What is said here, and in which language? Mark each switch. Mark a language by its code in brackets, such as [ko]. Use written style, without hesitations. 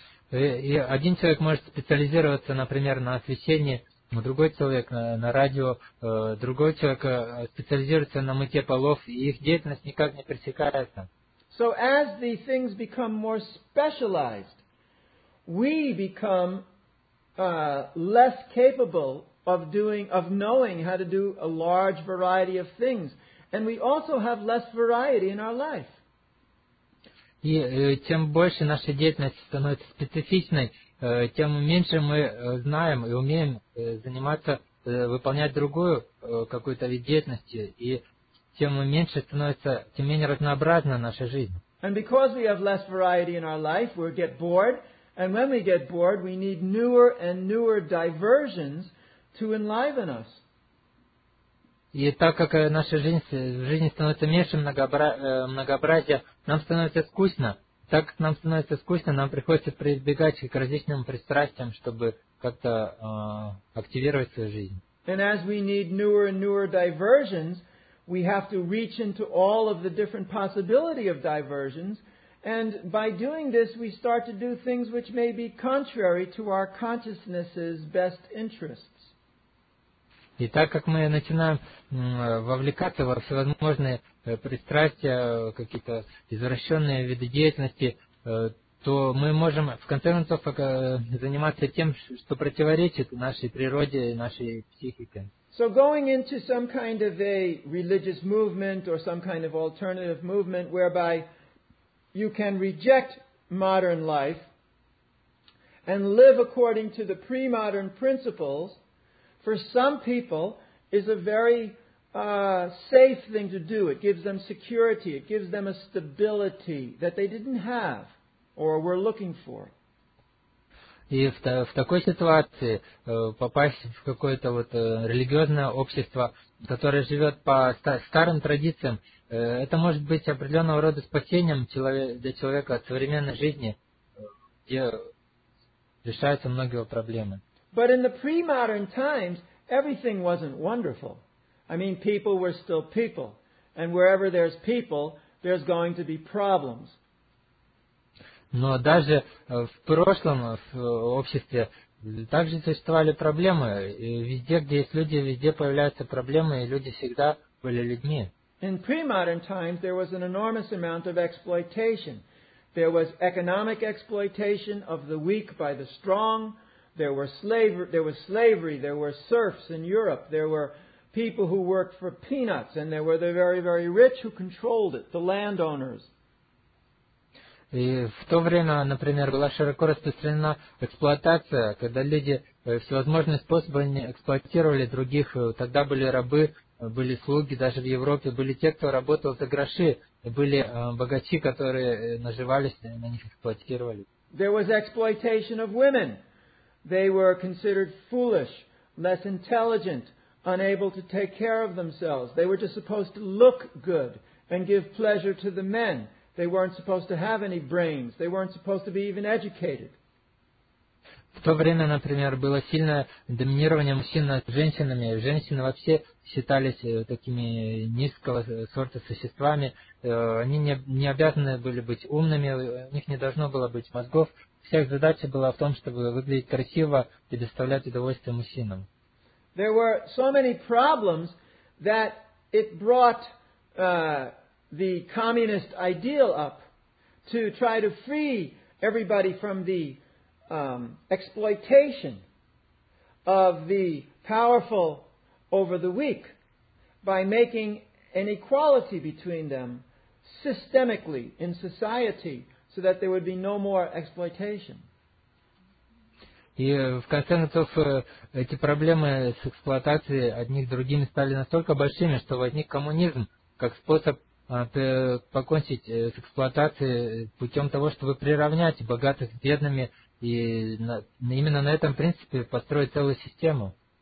[ru] И один человек может специализироваться, например, на освещении, другой человек на радио, другой человек специализируется на мытье полов, и их деятельность никак не пересекается. [en] So as the things become more specialized, we become less capable of knowing how to do a large variety of things, and we also have less variety in our life. [ru] И тем больше наша деятельность становится специфичной, тем меньше мы знаем и умеем заниматься, выполнять другую какую-то вид деятельности, и тем меньше становится, тем менее разнообразна наша жизнь. [en] And because we have less variety in our life, we get bored, and when we get bored, we need newer and newer diversions to enliven us. [ru] И так как наша жизнь становится меньше многообразия, нам становится скучно. Так как нам становится скучно, нам приходится прибегать к различным пристрастиям, чтобы как-то активировать свою жизнь. [en] And as we need newer and newer diversions, we have to reach into all of the different possibility of diversions. And by doing this, we start to do things which may be contrary to our consciousness's best interests. [ru] И так как мы начинаем вовлекаться во всевозможные пристрастия, какие-то извращенные виды деятельности, то мы можем в конце концов заниматься тем, что противоречит нашей природе, нашей психике. [en] So going into some kind of a religious movement or some kind of alternative movement whereby you can reject modern life and live according to the pre-modern principles, for some people is a very safe thing to do. It gives them security. It gives them a stability that they didn't have or were looking for. [ru] И в такой ситуации попасть в какое-то вот религиозное общество, которое живет по старым традициям, это может быть определенного рода спасением для человека от современной жизни, где решаются многие его проблемы. [en] But in the pre-modern times, everything wasn't wonderful. I mean, people were still people. And wherever there's people, there's going to be problems. [ru] Но даже в прошлом в обществе также существовали проблемы. И везде, где есть люди, везде появляются проблемы, и люди всегда были людьми. [en] In pre-modern times, there was an enormous amount of exploitation. There was economic exploitation of the weak by the strong. There was slavery, there were serfs in Europe. There were people who worked for peanuts, and there were the very, very rich who controlled it, the landowners. [ru] И в то время, например, была широко распространена эксплуатация, когда люди всевозможные способы эксплуатировали других. Тогда были рабы, были слуги, даже в Европе были те, кто работал за гроши, были богачи, которые наживались на них, эксплуатировали. [en] There was exploitation of women. They were considered foolish, less intelligent, unable to take care of themselves. They were just supposed to look good and give pleasure to the men. They weren't supposed to have any brains. They weren't supposed to be even educated. [ru] В то время, например, было сильное доминирование мужчин над женщинами. Женщины вообще считались такими низкого сорта существами. Они не обязаны были быть умными, у них не должно было быть мозгов. Вся их задача была в том, чтобы выглядеть красиво и доставлять удовольствие мужчинам. [en] There were so many problems that it brought the communist ideal up to try to free everybody from the exploitation of the powerful over the weak by making an equality between them systemically in society so that there would be no more exploitation. [ru] И в конце концов эти проблемы с эксплуатацией одних другими стали настолько большими, что возник коммунизм как способ покончить с эксплуатацией путем того, чтобы приравнять богатых с бедными и именно на этом принципе построить целую систему.